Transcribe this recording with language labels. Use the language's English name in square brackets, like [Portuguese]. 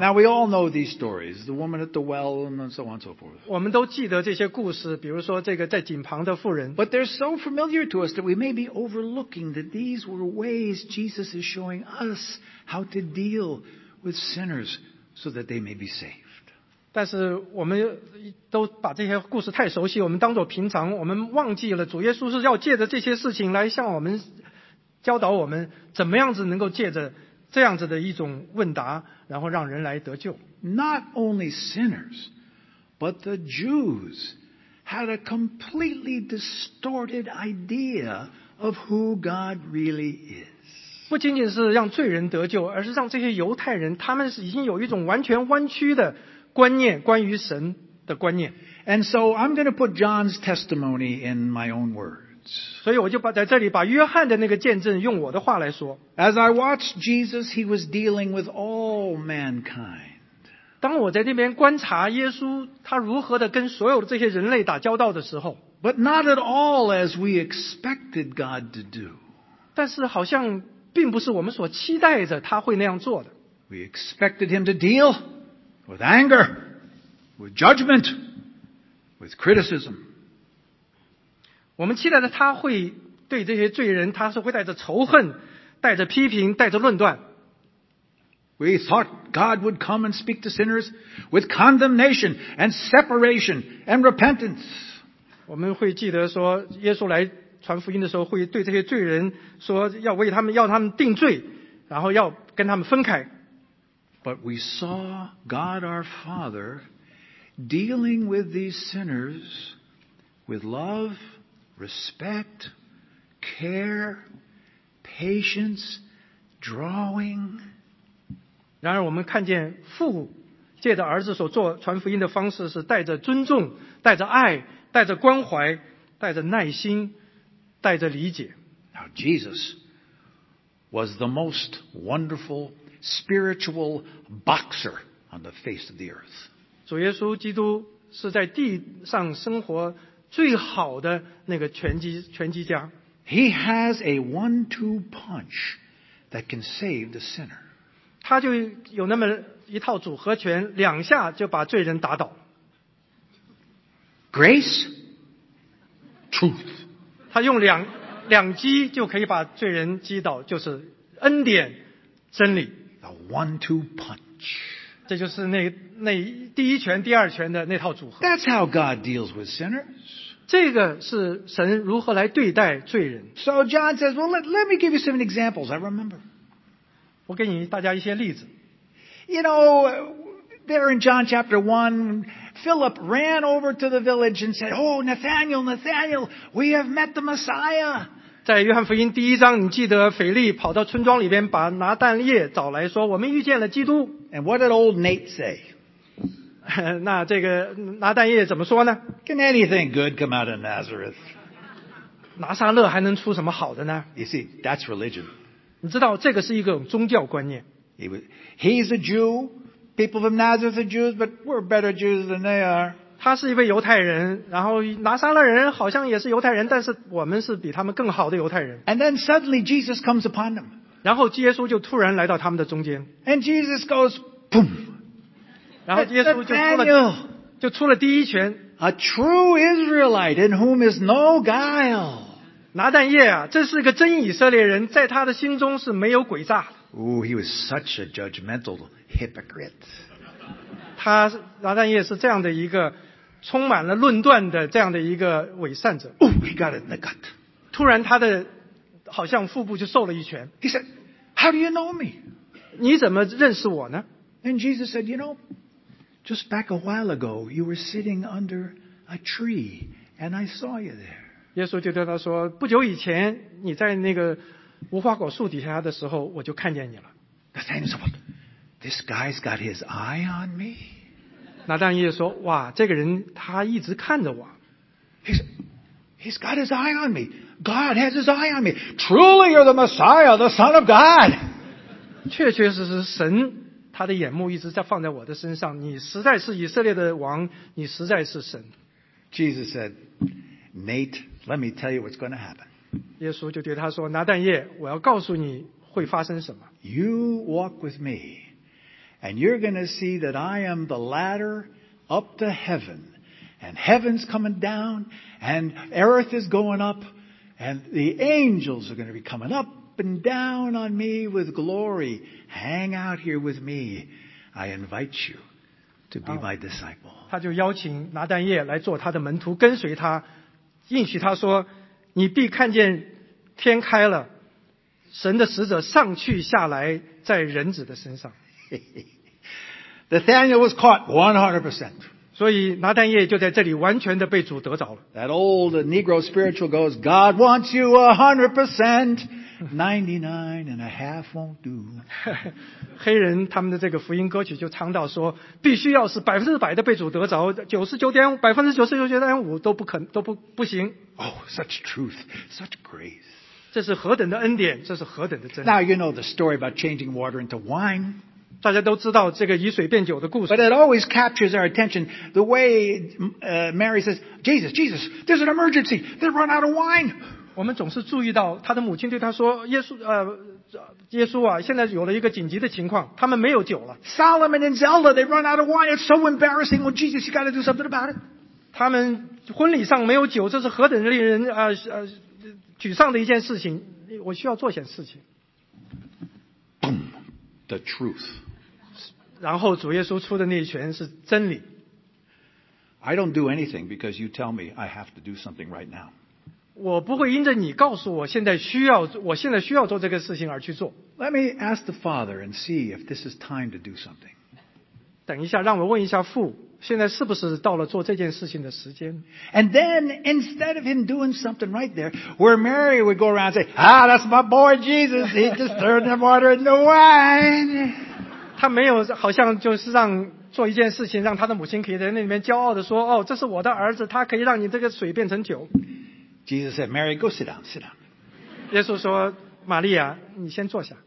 [English] Now we all know these stories, the woman at the well and so on and so forth. [Chinese] 我们都记得这些故事，比如说这个在井旁的妇人。 [English] But they're so familiar to us that we may be overlooking that these were ways Jesus is showing us how to deal with sinners so that they may be saved. [Chinese] 但是我们都把这些故事太熟悉，我们当作平常，我们忘记了主耶稣是要借着这些事情来向我们教导我们怎么样子能够借着这样子的一种问答，然后让人来得救。 [English] Not only sinners, but the Jews had a completely distorted idea of who God really is. [Chinese] 不仅仅是让罪人得救，而是让这些犹太人他们已经有一种完全弯曲的观念，关于神的观念。 [English] And so I'm going to put John's testimony in my own words. [Chinese] 所以我就把在这里把约翰的那个见证用我的话来说。 [English] As I watched Jesus, he was dealing with all mankind. [Chinese] 当我在那边观察耶稣他如何的跟所有的这些人类打交道的时候 [English] But not at all as we expected God to do. [Chinese] 但是好像并不是我们所期待着他会那样做的 [English] We expected him to deal with anger, with judgment, with criticism. [Chinese] 我们期待着他会对这些罪人他是会带着仇恨带着批评带着论断 [English] We thought God would come and speak to sinners with condemnation and separation and repentance. [Chinese] 我们会记得说耶稣来传福音的时候会对这些罪人说要为他们要他们定罪然后要跟他们分开。 [English] But we saw God our Father dealing with these sinners with love, respect, care, patience, drawing, [Chinese] 然而我们看见父借着儿子所做传福音的方式是带着尊重带着爱带着关怀带着耐心带着理解 [English] Now Jesus was the most wonderful spiritual boxer on the face of the earth [Chinese] 主耶稣基督是在地上生活最好的那个拳击家 [English] He has a 1-2 punch that can save the sinner [Chinese] 他就有那么一套组合拳，两下就把罪人打倒。 [English] Grace, truth. [Chinese] 他用两击就可以把罪人击倒，就是恩典、真理。 [English] The 1-2 punch. [Chinese] 这就是那第一拳、第二拳的那套组合。 [English] That's how God deals with sinners. [Chinese] 这个是神如何来对待罪人。 [English] So John says, well, let me give you some examples. I remember. [Chinese] 我给你大家一些例子。 [English] You know, there in John chapter 1, Philip ran over to the village and said, Oh, Nathaniel, Nathaniel, we have met the Messiah. [Chinese] 在约翰福音第一章你记得腓力跑到村庄里边把拿但叶找来说我们遇见了基督。 [English] And what did old Nate say? [Chinese] 那这个拿但叶怎么说呢 [English] Can anything good come out of Nazareth? [Chinese] 拿撒勒还能出什么好的呢 [English] You see, that's religion. [Chinese] 你知道这个是一个宗教观念。 [English] He's a Jew. People from Nazareth are Jews, but we're better Jews than they are. [Chinese] 他是一位犹太人，然后拿撒勒人好像也是犹太人，但是我们是比他们更好的犹太人。 [English] And then suddenly Jesus comes upon them. [Chinese] 然后耶稣就突然来到他们的中间。 [English] And Jesus goes, boom. [Chinese] 然后耶稣就出了第一拳。 [English] A true Israelite in whom is no guile. [Chinese] 拿但叶啊，这是个真以色列人，在他的心中是没有诡诈的。 [English] Ooh, he was such a judgmental hypocrite. [Chinese] 他拿但叶是这样的一个充满了论断的这样的一个伪善者。 [English] Ooh, he got it in the gut. [Chinese] 突然他的好像腹部就受了一拳。 [English] He said, "How do you know me?" [Chinese] 你怎么认识我呢 [English] ？And Jesus said, "You know, just back a while ago, you were sitting under a tree, and I saw you there." [Chinese] 耶稣就对他说不久以前你在那个无花果树底下的时候我就看见你了。 [English] Nathaniel said, what? This guy's got his eye on me? 拿但叶说哇这个人他一直看着我。 He's got his eye on me. God has his eye on me. Truly you're the Messiah, the Son of God. [Chinese] 确确实实神他的眼目一直在放在我的身上你实在是以色列的王你实在是神。 [English] Jesus said, Nate,Let me tell you what's going to happen. [Chinese] 耶稣就对他说拿但叶我要告诉你会发生什么。 [English] You walk with me, and you're going to see that I am the ladder up to heaven, and heaven's coming down, and earth is going up, and the angels are going to be coming up and down on me with glory. Hang out here with me. I invite you to be my disciple. [Chinese] 他就邀请拿但叶来做他的门徒跟随他应许他说你必看见天开了神的使者上去下来在人子的身上。 [English] Nathaniel was caught 100%. [Chinese] 所以拿但叶就在这里完全的被主得着了。 [English] That old Negro spiritual goes, God wants you 100%. 99 and a half won't do. [Chinese] 黑人他们的这个福音歌曲就唱到说，必须要是百分之百的被主得着，99.5%都不行。 [English] Oh, such truth, such grace. [Chinese] 这是何等的恩典，这是何等的真理。 [English] Now you know the story about changing water into wine. [Chinese] 大家都知道这个以水变酒的故事。 [English] But it always captures our attention the way Mary says, Jesus, Jesus, there's an emergency. They run out of wine. [Chinese] 我们总是注意到他的母亲对他说，耶稣啊，现在有了一个紧急的情况，他们没有酒了。 [English] Solomon and Zelda, they run out of wine. It's so embarrassing. Well, Jesus, you got to do something about it. [Chinese] 他们婚礼上没有酒，这是何等令人沮丧的一件事情。我需要做些事情。 [English] Boom, the truth. [Chinese] 然后主耶稣出的那一拳是真理。 [English] I don't do anything because you tell me I have to do something right now. [Chinese] 我不会因着你告诉我现在需要做这个事情而去做。 [English] Let me ask the Father and see if this is time to do something. [Chinese] 等一下，让我问一下父，现在是不是到了做这件事情的时间？ [English] And then instead of him doing something right there, where Mary would go around and say, "Ah, that's my boy Jesus. He just turned the water into wine." [Chinese] 他没有好像就是让做一件事情让他的母亲可以在那里面骄傲地说哦，这是我的儿子他可以让你这个水变成酒。 [English] Jesus said, Mary, go sit down, sit down. [Chinese] 耶稣说玛利亚你先坐下。